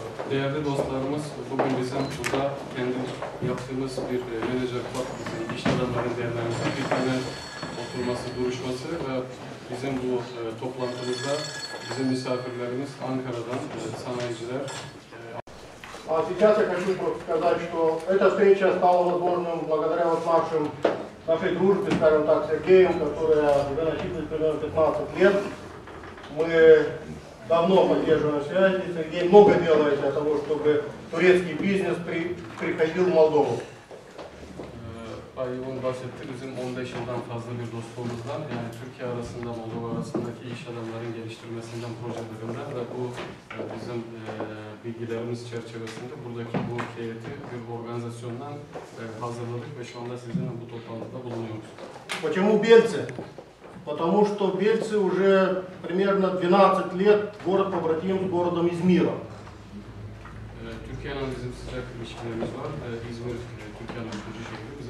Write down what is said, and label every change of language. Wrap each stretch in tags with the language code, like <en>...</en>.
<tr>Değerli dostlarımız, bugün bizim burada kendi yaptığımız bir menajer club, bizim iş adamları değerlendirmesi, bir tane oturması, duruşması ve bizim bu toplantımızda bizim misafirlerimiz Ankara'dan, sanayiciler.</tr> <ru>А сейчас я хочу сказать, что эта встреча стала возможным благодаря вот нашим, нашей дружбе, скажем так, с Сергеем, которая уже насчитывает примерно 15 лет. Мы давно поддерживаем связи, Сергей много делает для того, чтобы турецкий бизнес приходил в Молдову. Он бассетти,</ru> <tr>bizim 15 yıldan fazla bir dostluğumuzdan, yani Türkiye arasında, Moldova arasındaki iş adamların geliştirmesinden projelerinden ve bu bizim bilgilerimiz çerçevesinde buradaki bu heyeti bir organizasyondan hazırladık ve şu anda sizinle bu toplantıda bulunuyoruz.</tr> <ru>Почему Бельцы? Потому что Бельцы уже примерно 12 лет город побратим с городом Измира.</ru> <tr>Türkiye'nin bizim sıcak ilişkilerimiz var. İzmir, Türkiye'nin ikinci şehri.</tr>